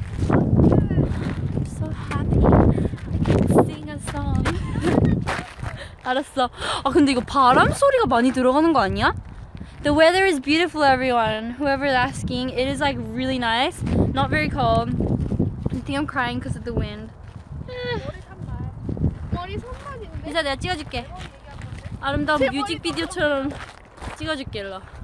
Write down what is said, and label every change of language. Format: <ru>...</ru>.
<en>I'm so happy. I can sing a song.</en> <ko>알았어. 아 근데 이거 바람 소리가 많이 들어가는 거 아니야?</ko> <en>The weather is beautiful, everyone. Whoever is asking, it is like really nice. Not very cold. I think I'm crying because of the wind.</en> <ko>머리 산발인데. 이제 내가 찍어줄게. 아름다운 뮤직비디오처럼 찍어줄게 일로.</ko>